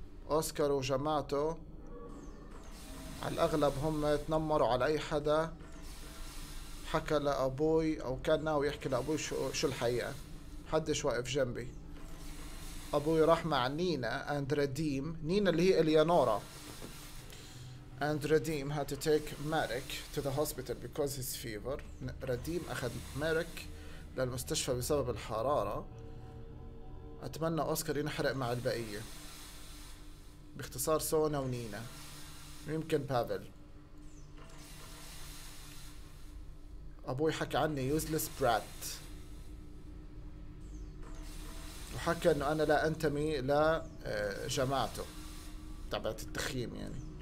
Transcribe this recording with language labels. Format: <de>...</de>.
<ar>اوسكار وجماعته على الاغلب هم تنمروا على اي حدا حكى لأبوي أو كان ناوي يحكي لأبوي شو الحقيقة. حدش واقف جنبي. أبوي راح مع نينا أند رديم. نينا اللي هي إليانورا.</ar> <en>And رديم had to take Merrick to the hospital because his fever.</en> <ar>رديم أخذ Merrick للمستشفى بسبب الحرارة. أتمنى أوسكار ينحرق مع البقية. باختصار سونا ونينا. ممكن بافل. أبوي حكى عني</ar> <en>useless brat</en> <ar>وحكى أنه أنا لا أنتمي لجماعته تبعت التخييم يعني.</ar>